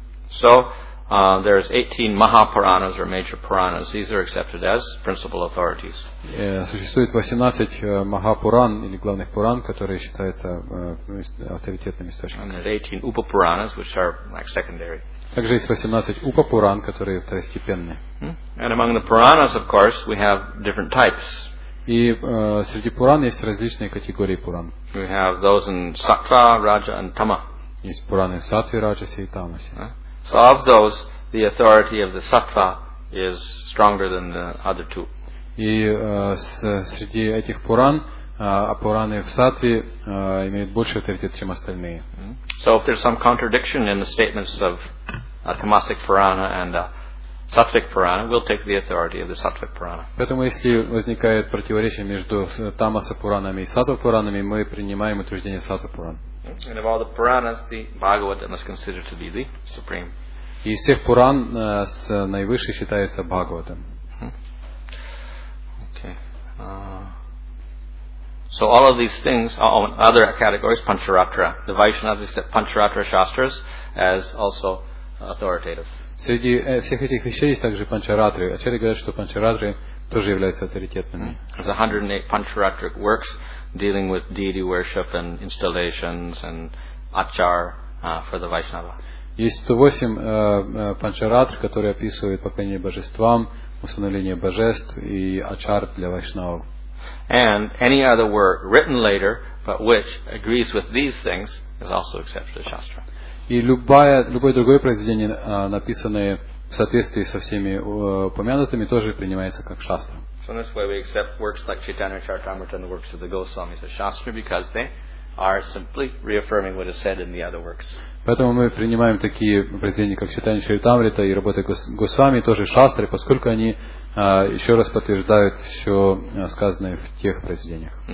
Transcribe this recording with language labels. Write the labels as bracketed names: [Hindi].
[English] So there's 18 Mahapuranas or major Puranas. These are accepted as principal authorities. [Russian] Существует 18 Махапуран или главных Пуран, которые считаются авторитетными источниками. [English] And there's 18 Упапуранас, which are like secondary. [Russian] Также есть 18 Упапуран, которые второстепенные. [English] And among the Puranas, of course, we have different types. [Russian] И среди Пуран есть различные категории Пуран. [English] We have those in Сатва, Раджа, and Тама. [Russian] Есть Пураны в Сатве, Раджасе и Тамасе. [English] So of those, the authority of the Sattva is stronger than the other two. [Russian] И среди этих Пуран Апураны в Сатве имеют больше авторитет, чем остальные. [English] So if there's some contradiction in the statements of Tamasic Purana and Sattvic Purana, we'll take the authority of the Sattvic Purana. [Russian] Поэтому если возникает противоречие между Тамаса Пуранами и Сатва Пуранами, мы принимаем утверждение Сатва Пуран. [English] And of all the Puranas, the Bhagavatam is considered to be the supreme. [Russian] Из всех Пуран с наивысшей считается Бхагаватам. [English] Okay. So all of these things, other categories, Pancharatra, the Vaishnavas said Pancharatra Shastras as also authoritative. [Russian] Среди всех этих вещей есть также Пancharatra. Ачарьи говорят, что Pancharatra тоже являются авторитетными. [English] There's 108 Pancharatric works dealing with deity worship and installations and achar for the Vaishnava. [Russian] Есть 108 Pancharatr, которые описывают поклонение божествам, установление божеств и ачар для вайшнавов. [English] And any other work written later, but which agrees with these things, is also accepted as shastra. [Russian] И любое другое произведение, написанное в соответствии со всеми упомянутыми, тоже принимается как шастра. [English] So in this way, we accept works like Chaitanya Charitamrita and the works of the Goswamis as shastra because they are simply reaffirming what is said in the other works. [Russian] Поэтому мы принимаем такие произведения, как Чайтанья Чаритамрита и работы Госвами, тоже шастры, поскольку они еще раз подтверждают все сказанное в тех произведениях.